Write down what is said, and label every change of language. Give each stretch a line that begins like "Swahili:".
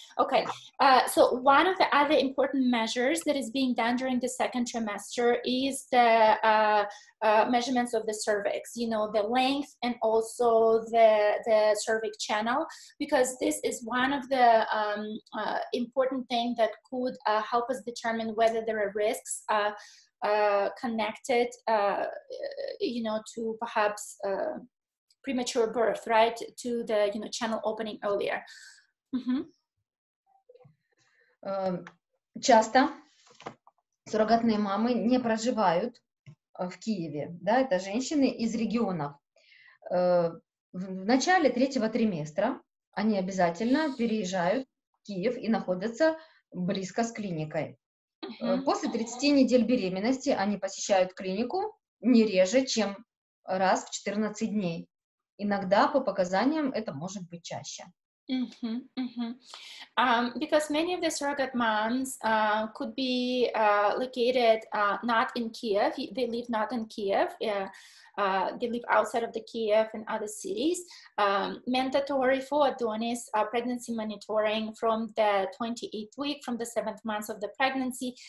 English: Okay, so one of the other important measures that is being done during the second trimester is the measurements of the cervix, you know, the length and also the cervix channel, because this is one of the important thing that could help us determine whether there are risks connected, you know, to perhaps premature birth, right, to the, you know, channel opening earlier.
Russian: Часто суррогатные мамы не проживают в Киеве, да, это женщины из регионов. В начале третьего триместра они обязательно переезжают в Киев и находятся близко с клиникой. После 30 недель беременности они посещают клинику не реже, чем раз в 14 дней. Иногда, по показаниям, это может быть чаще.
English: Because many of the surrogate moms could be located not in Kiev. They live not in Kiev. They live outside of the Kiev and other cities. Mandatory for Adonis pregnancy monitoring from the 28th week, from the 7th month of the pregnancy.